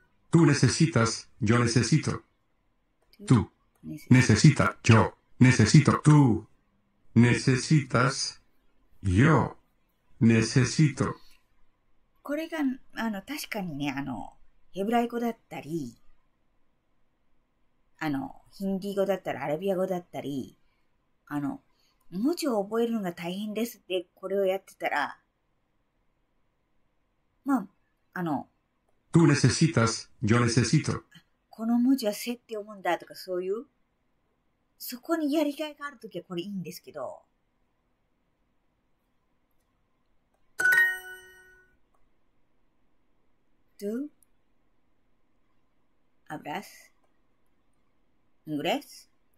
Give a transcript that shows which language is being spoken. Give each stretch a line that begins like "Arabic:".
Spanish: Tú necesitas, yo necesito. Tú necesita, yo necesito. Tú necesitas, yo necesito.
Japanese: これが確かにね、ヘブライ語だったり、ヒンディー語だったり、アラビア語だったり、文字を覚えるのが大変ですって、これをやってたら、まあ、
Spanish: Tú necesitas, yo necesito.
Japanese: この文字はせって読むんだとかそういう、そこにやりがいがあるときはこれいいんですけど。
Spanish: Tú hablas inglés?